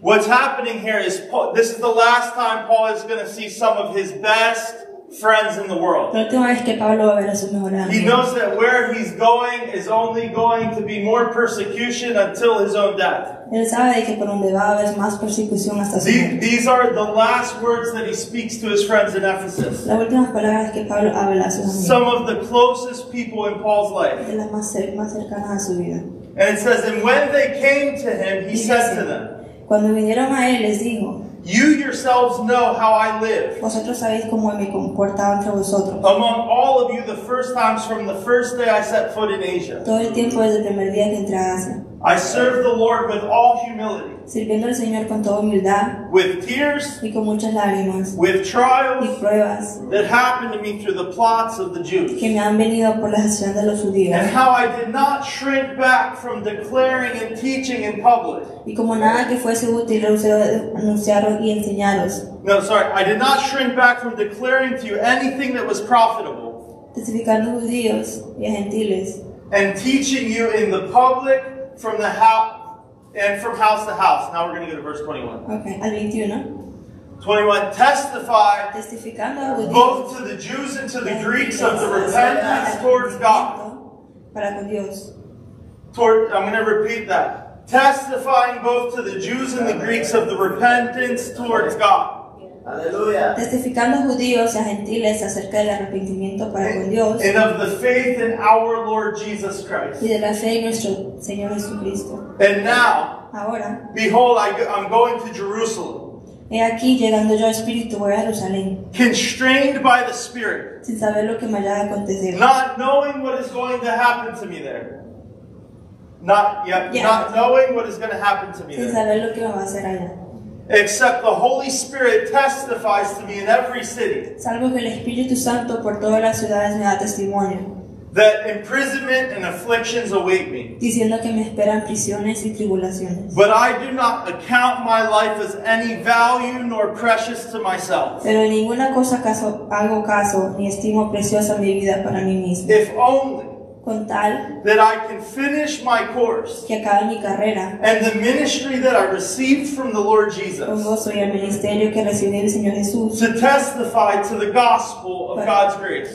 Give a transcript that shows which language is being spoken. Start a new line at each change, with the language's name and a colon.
English: What's happening here is Paul, this is the last time Paul is going to see some of his best friends in the world. He knows that where he's going is only going to be more persecution until his own death.
Spanish: Él sabe que por donde va a haber más persecución hasta su muerte.
English: These are the last words that he speaks to his friends in Ephesus.
Spanish: Las últimas palabras que Pablo habla a sus amigos.
English: Some of the closest people in Paul's life.
Spanish: De las más cercanas a su vida.
English: And it says, and when they came to him, he said to them,
Spanish: cuando vinieron a él, les dijo,
English: you yourselves know how I live.
Spanish: Vosotros sabéis cómo me comportaba entre vosotros.
English: Among all of you, the first times from the first day I set foot in Asia.
Spanish: Todo el tiempo desde el primer día que entré a Asia.
English: I serve the Lord with all humility.
Spanish: Sirviendo al Señor con toda humildad.
English: With tears.
Spanish: Y con muchas lágrimas.
English: With trials.
Spanish: Y pruebas.
English: That happened to me through the plots of the Jews.
Spanish: Que me han venido por las acciones de los judíos.
English: And how I did not shrink back from declaring and teaching in public.
Spanish: Y como nada que fuese útil rehusé anunciaros y enseñaros.
English: No, sorry. I did not shrink back from declaring to you anything that was profitable.
Spanish: Testificando a judíos y a gentiles.
English: And teaching you in the public. From the house and from house to house. Now we're going to go to verse 21.
Spanish: Okay, al 21.
English: 21. Testify
Spanish: testificando a Dios,
English: both to the Jews and to the Greeks of the repentance towards God.
Spanish: Para con Dios.
English: I'm going to repeat that. Testifying both to the Jews and the Greeks of the repentance towards God. Hallelujah.
Spanish: Testificando a judíos y a gentiles acerca del arrepentimiento para con Dios.
English: And of the faith in our Lord Jesus Christ.
Spanish: Y de la fe en nuestro Señor Jesucristo.
English: And now,
Spanish: ahora,
English: behold, I'm going to Jerusalem.
Spanish: He aquí llegando yo al Espíritu voy a Jerusalén.
English: Constrained by the Spirit.
Spanish: Sin saber lo que me haya acontecido.
English: Not knowing what is going to happen to me there. Not knowing what is going to happen to me
Spanish: sin
English: there.
Spanish: Sin saber lo que me va a hacer allá.
English: Except the Holy Spirit testifies to me in every city.
Spanish: Salvo que el Espíritu Santo por todas las ciudades me da testimonio.
English: That imprisonment and afflictions await me.
Spanish: Diciendo que me esperan prisiones y tribulaciones.
English: But I do not account my life as any value nor precious to myself.
Spanish: Pero ninguna cosa hago caso ni estimo preciosa mi vida para mí mismo.
English: If only.
Spanish: Con tal
English: that I can finish my course
Spanish: que acabe mi carrera,
English: and the ministry that I received from the Lord Jesus,
Spanish: con gozo y el ministerio que recibí del Señor Jesús,
English: to testify to the gospel of para, God's grace.